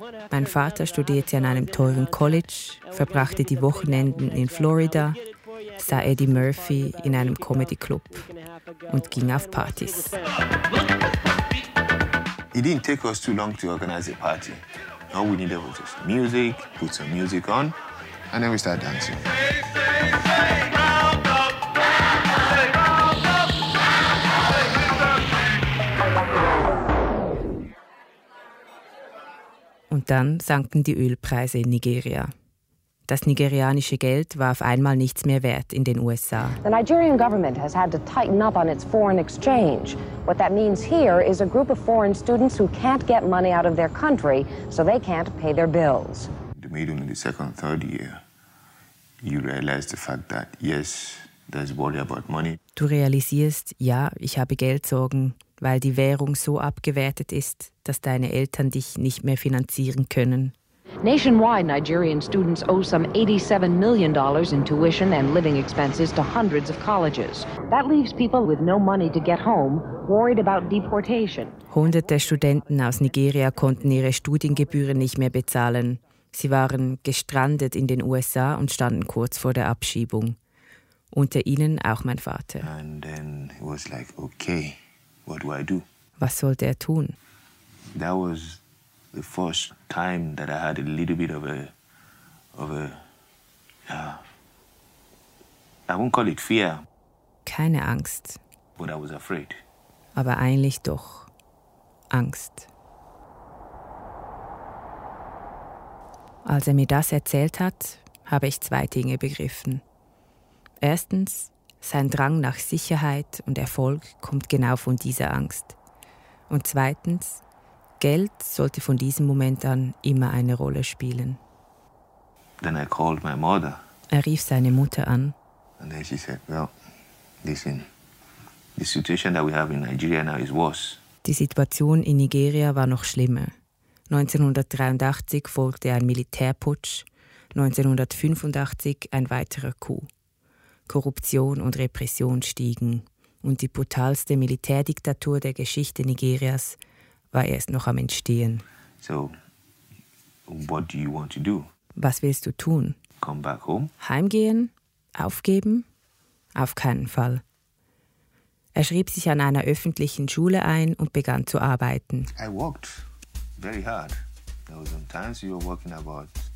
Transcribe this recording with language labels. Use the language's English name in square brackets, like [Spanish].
[German] Mein Vater studierte an einem teuren College, verbrachte die Wochenenden in Florida, sah Eddie Murphy in einem Comedy Club und ging auf Partys. [English] It didn't take us too long to organize a party. All we needed was just music, put some music on, and then we start dancing. [German] Und dann sanken die Ölpreise in Nigeria. Das nigerianische Geld war auf einmal nichts mehr wert in den USA. [English] The Nigerian government has had to tighten up on its foreign exchange. What that means here is a group of foreign students who can't get money out of their country, so they can't pay their bills. The middle in the second, third year, you realize the fact that yes, there's worry about money. [German] Du realisierst, ja, ich habe Geldsorgen, weil die Währung so abgewertet ist, dass deine Eltern dich nicht mehr finanzieren können. [English] Nationwide Nigerian students owe some $87 million in tuition and living expenses to hundreds of colleges. That leaves people with no money to get home, worried about deportation. [German] Hunderte Studenten aus Nigeria konnten ihre Studiengebühren nicht mehr bezahlen. Sie waren gestrandet in den USA und standen kurz vor der Abschiebung. Unter ihnen auch mein Vater. [English] And then it was like, okay. What do I do? [German] Was sollte er tun? [English] That was the first time that I had a little bit I won't call it fear. [German] Keine Angst. [English] But I was afraid. [German] Aber eigentlich doch. Angst. Als er mir das erzählt hat, habe ich zwei Dinge begriffen. Erstens, sein Drang nach Sicherheit und Erfolg kommt genau von dieser Angst. Und zweitens, Geld sollte von diesem Moment an immer eine Rolle spielen. [English] Then I called my mother. [German] Er rief seine Mutter an. [English] And then she said, well, listen, the situation that we have in Nigeria now is worse. [German] Die Situation in Nigeria war noch schlimmer. 1983 folgte ein Militärputsch, 1985 ein weiterer Coup. Korruption und Repression stiegen und die brutalste Militärdiktatur der Geschichte Nigerias war erst noch am Entstehen. [English] So, what do you want to do? [German] Was willst du tun? [English] Come back home. [German] Heimgehen? Aufgeben? Auf keinen Fall. Er schrieb sich an einer öffentlichen Schule ein und begann zu arbeiten. [English] I worked very hard. There were times you were working about